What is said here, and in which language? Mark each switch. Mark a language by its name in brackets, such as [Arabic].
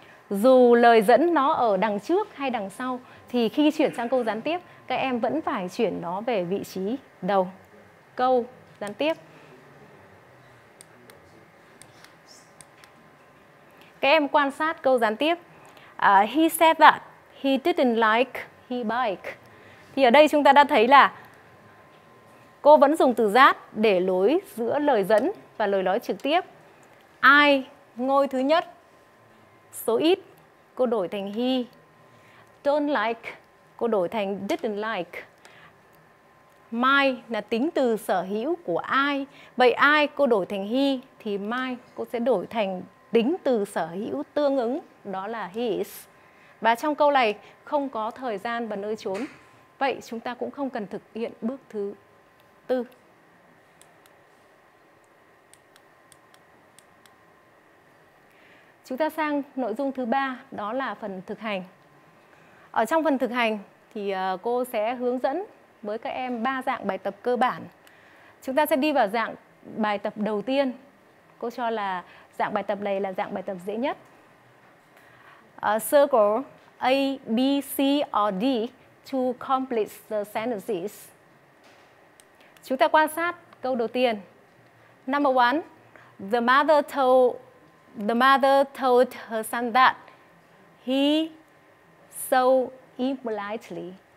[Vietnamese] Dù lời dẫn nó ở đằng trước hay đằng sau thì khi chuyển sang câu gián tiếp, các em vẫn phải chuyển nó về vị trí đầu câu gián tiếp. Các em quan sát câu gián tiếp. [English] He said that he didn't like his bike. [Vietnamese] Thì ở đây chúng ta đã thấy là cô vẫn dùng từ that để lối giữa lời dẫn và lời nói trực tiếp. I, ngôi thứ nhất, số ít, cô đổi thành he. Don't like, cô đổi thành didn't like. My là tính từ sở hữu của ai. Vậy ai cô đổi thành he thì my cô sẽ đổi thành tính từ sở hữu tương ứng, đó là his. Và trong câu này không có thời gian và nơi chốn, vậy chúng ta cũng không cần thực hiện bước thứ 4. Chúng ta sang nội dung thứ 3, đó là phần thực hành. Ở trong phần thực hành thì cô sẽ hướng dẫn với các em 3 dạng bài tập cơ bản. Chúng ta sẽ đi vào dạng bài tập đầu tiên. Cô cho là dạng bài tập này là dạng bài tập dễ nhất. [English] Circle A, B, C or D to complete the sentences. [Vietnamese] Chúng ta quan sát câu đầu tiên. [English] Number one, the mother told her son that he so impolitely.